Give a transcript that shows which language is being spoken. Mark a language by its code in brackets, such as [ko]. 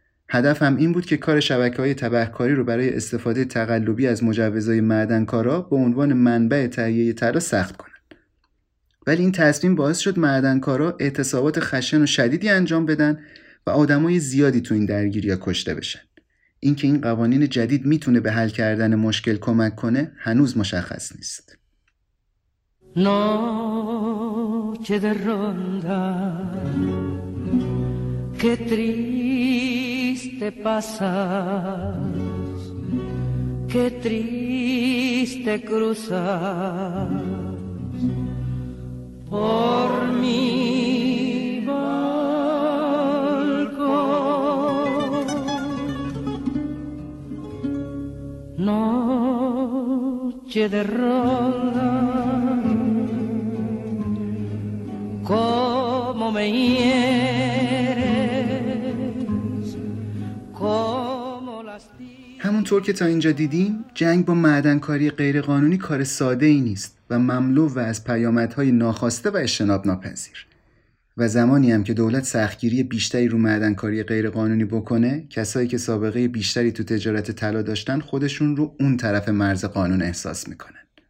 [fa] هدف هم این بود که کار شبکه‌های تبهکاری رو برای استفاده تقلبی از مجوزهای معدنکارا به عنوان منبع تهیه طلا سخت کنن. ولی این تصمیم باعث شد معدنکارا اعتصابات خشن و شدیدی انجام بدن و آدمای زیادی تو این درگیری ها کشته بشن. این که این قوانین جدید میتونه به حل کردن مشکل کمک کنه هنوز مشخص نیست. [es] Noche de ronda Que triste pasas Que triste cruzas Por mi balcón Noche de ronda Cómo me hieres Cómo lastimas [fa] همونطور که تا اینجا دیدیم جنگ با معدنکاری غیرقانونی کار ساده ای نیست و مملو و از پیامدهای ناخواسته و اجتناب ناپذیر. و زمانی هم که دولت سختگیری بیشتری رو معدنکاری غیرقانونی بکنه، کسایی که سابقه بیشتری تو تجارت طلا داشتن خودشون رو اون طرف مرز قانون احساس میکنن.